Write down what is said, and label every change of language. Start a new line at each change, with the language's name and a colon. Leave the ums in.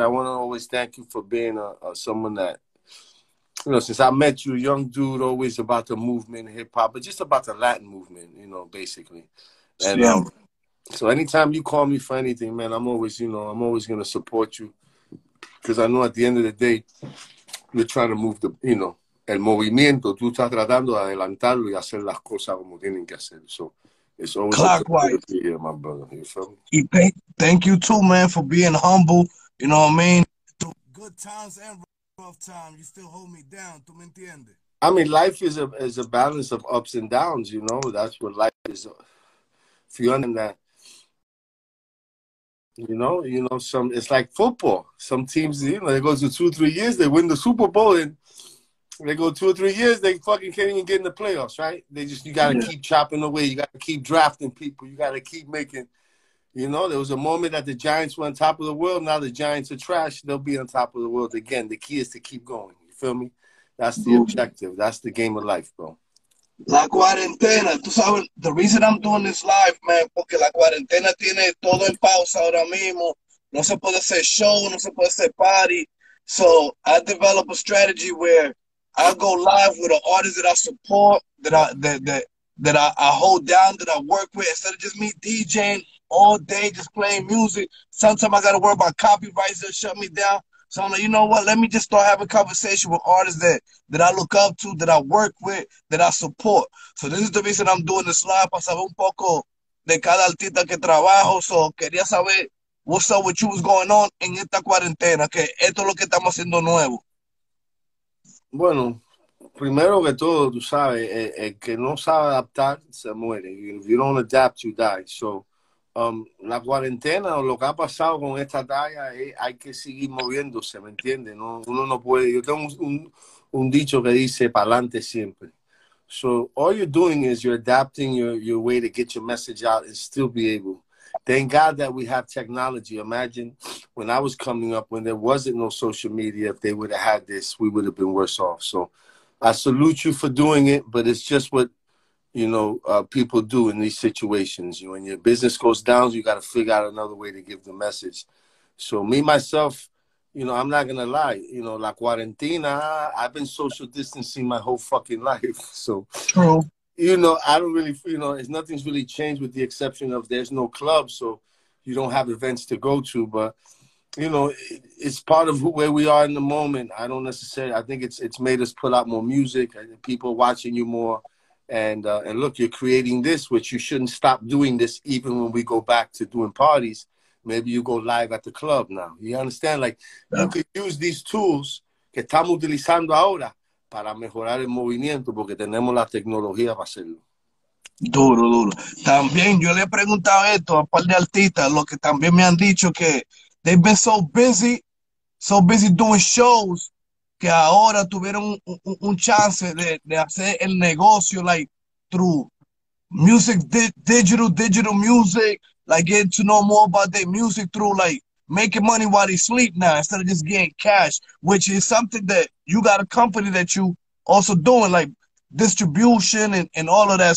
English: I want to always thank you for being a, a, someone that, you know, since I met you, young dude, always about the movement, hip hop, but just about the Latin movement, you know, basically. yeah. So, so anytime you call me for anything, man, I'm always, you know, I'm always going to support you because I know at the end of the day, you're trying to move the, you know,
Spanish: el movimiento. Tú estás tratando adelantarlo y hacer las cosas como tienen que hacer.
English: So. It's always clockwise. Yeah, my brother. You feel me? Thank, you too, man, for being humble. You know what I mean? good times and rough times, you still hold me down.
Spanish: Tu me entiende?
English: I mean, life is a is a balance of ups and downs. You know, that's what life is. If you understand that, you know, you know, some it's like football. Some teams, you know, they go to two, three years, they win the Super Bowl, and they go two or three years, they fucking can't even get in the playoffs, right? They just you gotta yeah. keep chopping away, you gotta keep drafting people, you gotta keep making. You know, there was a moment that the Giants were on top of the world. Now the Giants are trash. They'll be on top of the world again. The key is to keep going. You feel me? That's the okay. objective. That's the game of life, bro.
Spanish: La cuarentena. Tú sabes,
English: the reason I'm doing this live, man,
Spanish: porque la cuarentena tiene todo en pausa ahora mismo. No se puede hacer show, no se puede hacer party.
English: So I develop a strategy where I go live with the artists that I support, that I that that that I, I, hold down, that I work with, instead of just me DJing all day, just playing music. Sometimes I gotta worry about copyrights that shut me down. So I'm like, you know what? Let me just start having conversation with artists that that I look up to, that I work with, that I support. So this is the reason I'm doing this live.
Spanish: Pasaba un poco de cada artista que trabajo.
English: So
Spanish: quería saber
English: what's up with you, what's going on in
Spanish: esta cuarentena. Que
English: okay?
Spanish: esto es lo que estamos haciendo nuevo. Bueno, primero que todo, tú sabes, el, el, que no sabe adaptar se muere.
English: If you don't adapt, you die.
Spanish: So, um, la cuarentena o lo que ha pasado con esta talla es eh, hay que seguir moviéndose, ¿me entiendes? No, uno no puede. Yo tengo un, un dicho que dice para adelante siempre.
English: So, all you're doing is you're adapting your, your way to get your message out and still be able. thank God that we have technology. Imagine when I was coming up, when there wasn't no social media, if they would have had this, we would have been worse off. So I salute you for doing it, but it's just what, you know, uh, people do in these situations. When your business goes down, you got to figure out another way to give the message. So me, myself, you know, I'm not going to lie. You know, like Quarantina, I've been social distancing my whole fucking life. So... True you know, I don't really, you know, it's nothing's really changed with the exception of there's no club, so you don't have events to go to. But you know, it, it's part of where we are in the moment. I don't necessarily. I think it's it's made us put out more music people watching you more. And uh, and look, you're creating this, which you shouldn't stop doing this, even when we go back to doing parties. Maybe you go live at the club now. You understand? Like yeah. you could use these tools
Spanish: que estamos utilizando ahora. para mejorar el movimiento porque tenemos la tecnología para hacerlo. Duro, duro. También yo le he preguntado esto a un par de artistas, lo que también me han dicho que
English: they've been so busy, so busy doing shows,
Spanish: que ahora tuvieron un, un, un chance de, de, hacer el negocio,
English: like, through music, di, digital, digital music, like, get to no know more about their music through, like, making money while they sleep now instead of just getting cash, which is something that you got a company that you also doing, like distribution and, and, all of that.